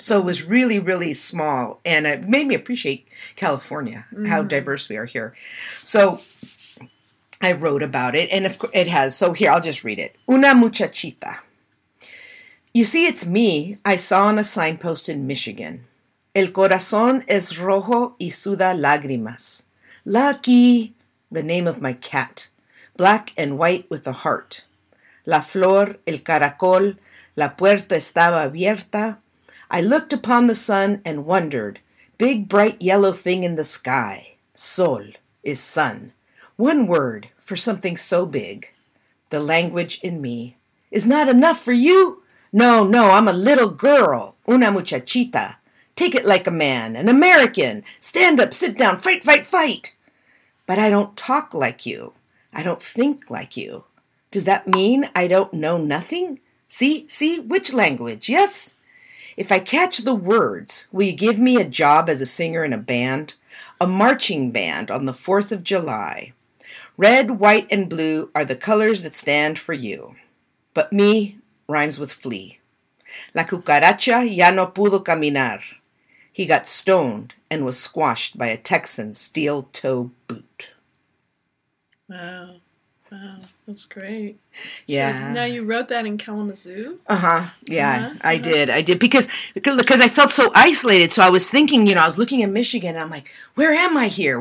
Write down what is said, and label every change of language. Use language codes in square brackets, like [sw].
[en] So it was really, really small. And it made me appreciate California, mm-hmm. how diverse we are here. So I wrote about it. And of course it has. So here, I'll just read it. [es] Una muchachita. [en] You see, it's me. I saw on a signpost in Michigan. [es] El corazón es rojo y suda lágrimas. [en] Lucky, the name of my cat. Black and white with a heart. [es] La flor, el caracol, la puerta estaba abierta. [en] I looked upon the sun and wondered. Big, bright, yellow thing in the sky. Sol is sun. One word for something so big. The language in me. Is not enough for you? No, no, I'm a little girl. [es] Una muchachita. [en] Take it like a man. An American. Stand up, sit down, fight, fight, fight. But I don't talk like you. I don't think like you. Does that mean I don't know nothing? See, which language? Yes? If I catch the words, will you give me a job as a singer in a band? A marching band on the 4th of July. Red, white, and blue are the colors that stand for you. But me rhymes with flea. [es] La cucaracha ya no pudo caminar. [en] He got stoned and was squashed by a Texan's steel toe boot. Wow, that's great. Yeah. So now you wrote that in Kalamazoo? I did. Because I felt so isolated. So I was thinking, you know, I was looking at Michigan and I'm like, where am I here?